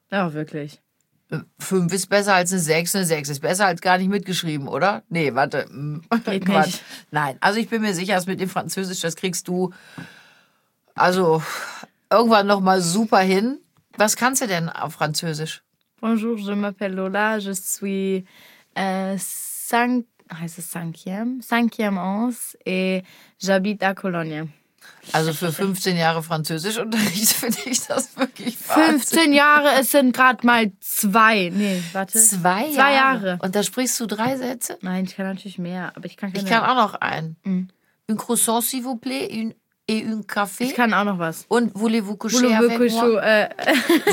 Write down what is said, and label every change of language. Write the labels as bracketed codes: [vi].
[de] Oh, wirklich. 5 ist besser als eine 6. Eine 6 ist besser als gar nicht mitgeschrieben, oder? Nee, warte. Geht Quatsch. Nicht. Nein, also ich bin mir sicher, mit dem Französisch, das kriegst du also irgendwann nochmal super hin. Was kannst du denn auf Französisch? [fr] Bonjour, je m'appelle Lola, je suis cinquième ans et j'habite à Cologne. [de] Also für 15 Jahre Französischunterricht finde ich das wirklich wahnsinnig. 15 Jahre, es sind gerade mal 2. Nee, warte. 2 Jahre. Und da sprichst du 3 Sätze? Nein, ich kann natürlich mehr, aber ich kann keine. Ich kann auch noch einen. [fr] Un croissant, s'il vous plaît, et un café. [de] Ich kann auch noch was. [fr] Und voulez-vous coucher avec moi?